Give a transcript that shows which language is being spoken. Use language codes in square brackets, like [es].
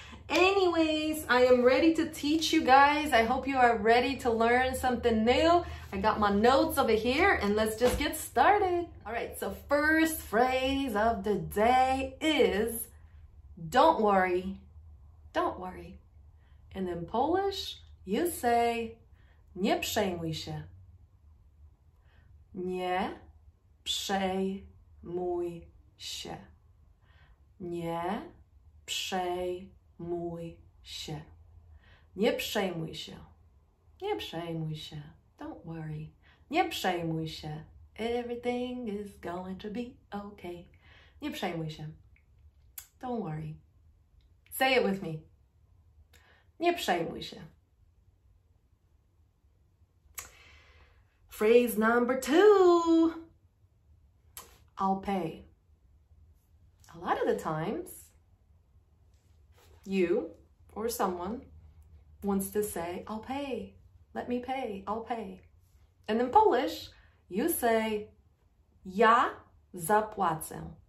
[en] Anyways, I am ready to teach you guys. I hope you are ready to learn something new. I got my notes over here and let's just get started. All right, so first phrase of the day is don't worry, don't worry. And in Polish, you say [pl] nie przejmuj się. Nie przejmuj się. Nie przejmuj się. Mój się. Nie przejmuj się. Nie przejmuj się. [en] Don't worry. [pl] Nie przejmuj się. [en] Everything is going to be okay. [pl] Nie przejmuj się. [en] Don't worry. Say it with me. Nie przejmuj się. Phrase number two. I'll pay. A lot of the times, you or someone wants to say, I'll pay, let me pay, I'll pay. And in Polish, you say, [pl] ja zapłacę.